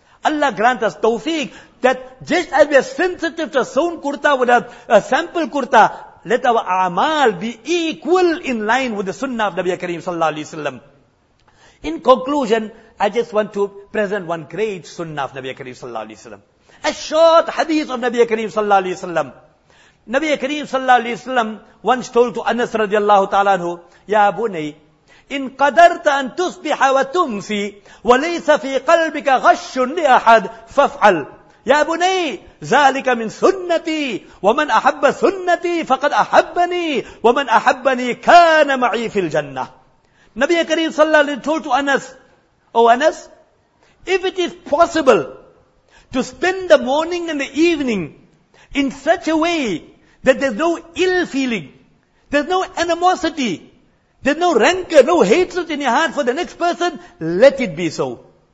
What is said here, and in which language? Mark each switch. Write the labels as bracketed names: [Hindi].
[English] Allah grant us tawfiq that just as we are sensitive to sewn kurta with a sample kurta, let our a'mal be equal in line with the sunnah of Nabi Kareem sallallahu alayhi wa sallam. In conclusion, I just want to present one great sunnah of Nabi Kareem sallallahu alayhi wa sallam. A short hadith of Nabi Kareem sallallahu alayhi wa sallam. Nabi Kareem sallallahu alayhi wa sallam once told to Anas radiallahu ta'ala anhu, Ya Bunay, [Arabic] إن قدرت أن تصبح وتمسي وليس في قلبك غش لأحد فافعل يا بني ذلك من سنتي ومن أحب سنتي فقد أحبني ومن أحبني كان معي في الجنة. نبي كريم صلى الله عليه وسلم [English] told to Anas, oh Anas, if it is possible to spend the morning and the evening in such a way that there's no ill feeling, there's no animosity, there's no rancor, no hatred in your heart for the next person, let it be so.